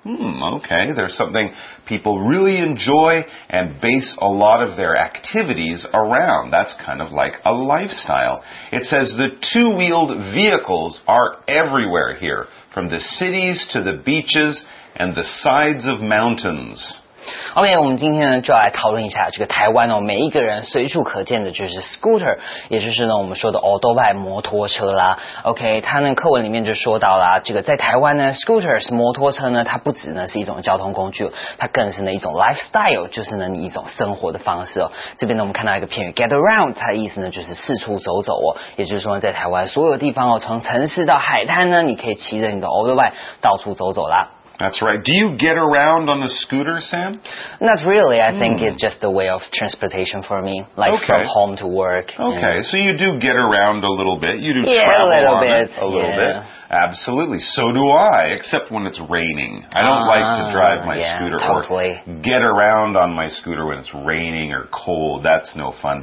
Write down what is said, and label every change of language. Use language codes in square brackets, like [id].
[en] Okay, they're something people really enjoy and base a lot of their activities around. That's kind of like a lifestyle. It says the two-wheeled vehicles are everywhere here, from the cities to the beaches and the sides of mountains. [zh] OK, 我们今天呢就来讨论一下这个台湾哦，每一个人随处可见的就是 scooter， 也就是呢我们说的 autobike 摩托车啦。 OK， 它呢课文里面就说到啦，这个在台湾呢 scooters 摩托车呢，它不只呢是一种交通工具，它更是呢一种 lifestyle， 就是呢你一种生活的方式哦。这边呢我们看到一个片语 get around， 它的意思呢就是四处走走哦，也就是说在台湾所有地方哦，从城市到海滩呢，你可以骑着你的 autobike 到处走走啦。 [en] That's right. Do you get around on a scooter, Sam? Not really. I think it's just a way of transportation for me, like from home to work. Okay, so you do get around a little bit. You do travel a little bit. Absolutely. So do I, except when it's raining. I don't like to drive my scooter get around on my scooter when it's raining or cold. That's no fun.